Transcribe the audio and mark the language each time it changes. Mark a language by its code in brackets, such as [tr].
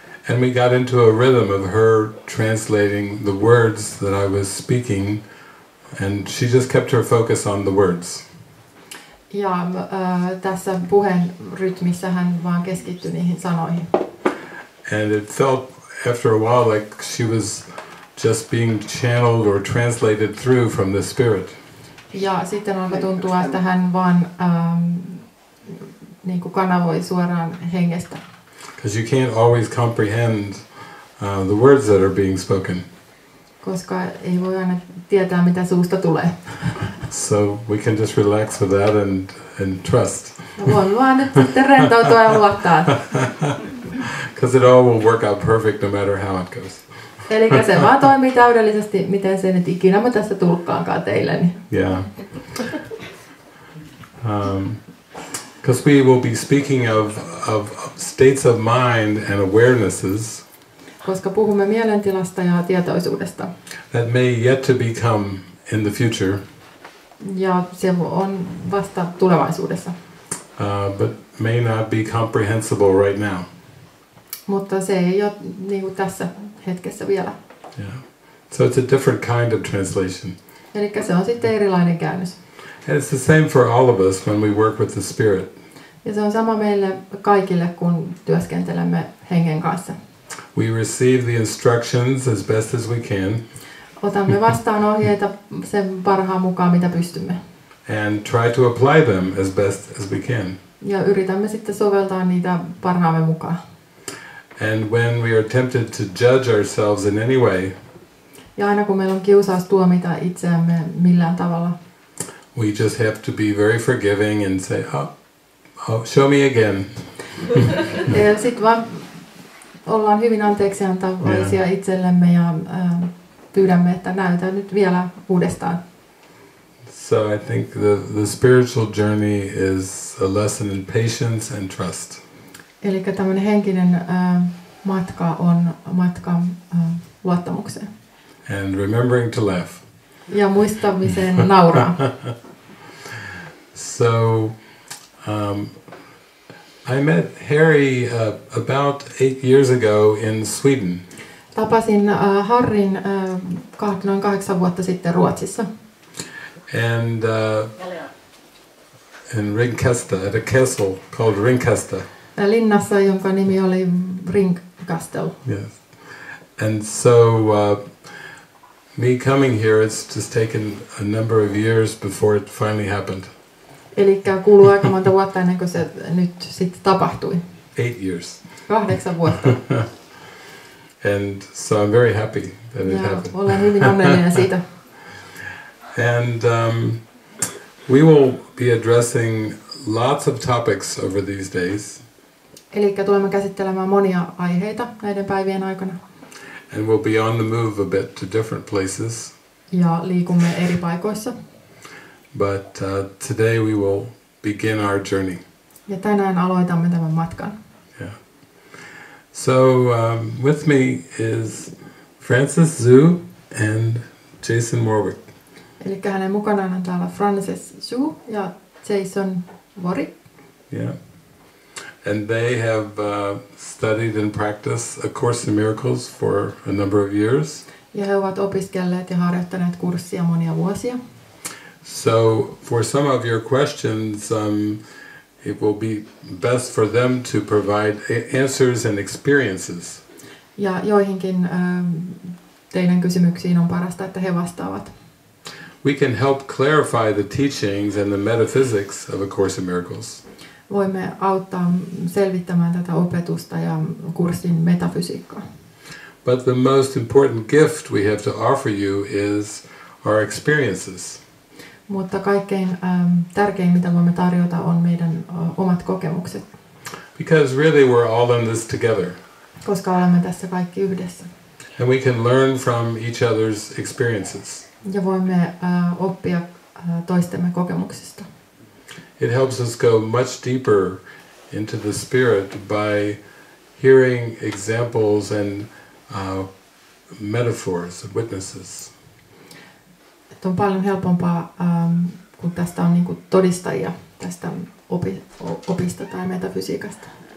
[en] And we got into a rhythm of her translating the words that I was speaking, and she just kept her focus on the words. [fi] Ja tässä puheen rytmissä hän vaan keskittyi niihin sanoihin. [en] And it felt after a while like she was just being channeled or translated through from the spirit. [fi] Ja sitten alkoi tuntua, että hän vaan niin kuin kanavoi suoraan hengestä. [en] Because you can't always comprehend the words that are being spoken. [fi] Koska ei voi aina tietää, mitä suusta tulee. [en] So we can just relax with that and trust. [fi] Voin vaan nyt sitten rentoutua ja luottaa. [en] Because it all will work out perfect no matter how it goes. [fi] Eli se vaan toimii täydellisesti, miten se nyt ikinä mä tässä tulkkaankaan teille. [en] Yeah. Because we will be speaking of states of mind and awarenesses. [fi] Koska puhumme mielentilasta ja tietoisuudesta. [en] That may yet to become in the future. [fi] Ja se on vasta tulevaisuudessa. [en] But may not be comprehensible right now. [fi] Mutta se ei ole niin kuin tässä hetkessä vielä. [en] Yeah. So it's a different kind of translation. [fi] Eli se on sitten erilainen käännös. [en] And it's the same for all of us when we work with the spirit. [fi] Ja se on sama meille kaikille, kun työskentelemme hengen kanssa. [en] We receive the instructions as best as we can. [fi] Otamme vastaan ohjeita sen parhaan mukaan, mitä pystymme. [en] And try to apply them as best as we can. [fi] Ja yritämme sitten soveltaa niitä parhaamme mukaan. [en] And when we are tempted to judge ourselves in any way. [fi] Ja aina kun meillä on kiusaus tuomita itseämme millään tavalla. [en] We just have to be very forgiving and say, oh, show me again. [fi] Ja sit vaan ollaan hyvin anteeksiantavaisia itsellemme ja pyydämme, että näytä nyt vielä uudestaan. [en] So I think the spiritual journey is a lesson in patience and trust. [fi] Eli tämmöinen henkinen matka on matka luottamukseen. [en] And remembering to laugh. [fi] Ja muistamiseen nauraa. [en] So, I met Harry about 8 years ago in Sweden. [fi] Tapasin Harrin noin 8 vuotta sitten Ruotsissa. [en] And in Ringkasta, at a castle called Ringkasta. [fi] Linnassa, jonka nimi oli Ringkastel. [en] Yes. And so, me coming here, it's just taken a number of years before it finally happened. [fi] Eli kuului aika monta vuotta ennen kuin se nyt sitten tapahtui. [en] 8 years. [fi] 8 vuotta. [en] And so I'm very happy that it happened. [fi] Olen hyvin onnellinen siitä. [en] And we will be addressing lots of topics over these days. [fi] Eli tulemme käsittelemään monia aiheita näiden päivien aikana. [en] And we'll be on the move a bit to different places. [fi] Ja liikumme eri paikoissa. [en] But today we will begin our journey. [fi] Ja tänään aloitamme tämän matkan. [en] Yeah. So with me is Francis Zhu and Jason Warwick. [fi] Eli hänen mukanaan on täällä Francis Zhu ja Jason Warwick. [en] Yeah. And they have studied and practiced A Course in Miracles for a number of years. [fi] Ja he ovat opiskelleet ja harjoittaneet kurssia monia vuosia. [en] So for some of your questions, it will be best for them to provide answers and experiences. [fi] Ja joihinkin teidän kysymyksiin on parasta, että he vastaavat. [en] We can help clarify the teachings and the metaphysics of A Course in Miracles. [fi] Voimme auttaa selvittämään tätä opetusta ja kurssin metafysiikkaa. [en] But the most important gift we have to offer you is our experiences. [fi] Mutta kaikkein tärkein, mitä voimme tarjota, on meidän omat kokemukset. [en] Because really we're all in this together. [fi] Koska olemme tässä kaikki yhdessä. [en] And we can learn from each other's experiences. [fi] Ja voimme oppia toistemme kokemuksista. [en] It helps us go much deeper into the spirit by hearing examples and metaphors of witnesses. [fi] Että on paljon helpompaa, kun tästä on niinku todistajia tästä opista tai metafysiikasta.